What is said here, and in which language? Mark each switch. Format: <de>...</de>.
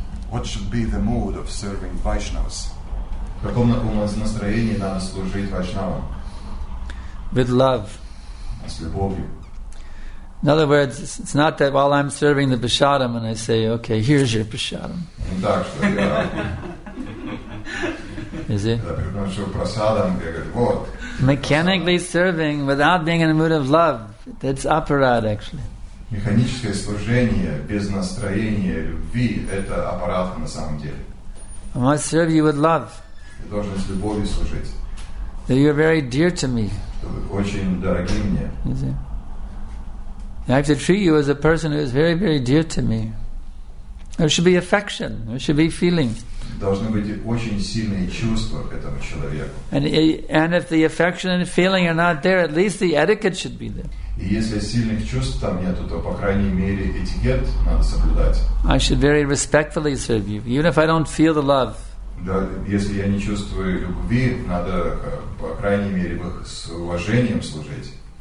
<en>What should be the mood of serving Vaishnavas?</en> <ru>В каком настроении надо служить Вайшнавам?</ru> <en>With love.</en> <ru>С любовью.</ru> <en>In other words, it's not that while I'm serving the Prasadam and I say, okay, here's your Prasadam.</en> <ru>Так что я...</ru> <en>Is it?</en> <ru>Когда приношу Прасадам, я говорю, вот.</ru> <en>Mechanically serving without being in a mood of love, that's aparad, actually.</en> <ru>Механическое служение без настроения любви – это аппарат на самом деле.</ru> <en>I must serve you with love.</en> <ru>Я должен с любовью служить.</ru> <en>That you are very dear to me.</en> <ru>Что вы очень дороги мне.</ru> <en>You see? I have to treat you as a person who is very, very dear to me. There should be affection. There should be feeling.</en> <ru>Должны быть очень сильные чувства к этому человеку.</ru> <en>And if the affection and feeling are not there, at least the etiquette should be there.</en> <ru>И если сильных чувств там нету, то по крайней мере этикет надо соблюдать.</ru> <en>I should very respectfully serve you, even if I don't feel the love.</en> <ru>Да, если я не чувствую любви, надо по крайней мере с уважением служить.</ru>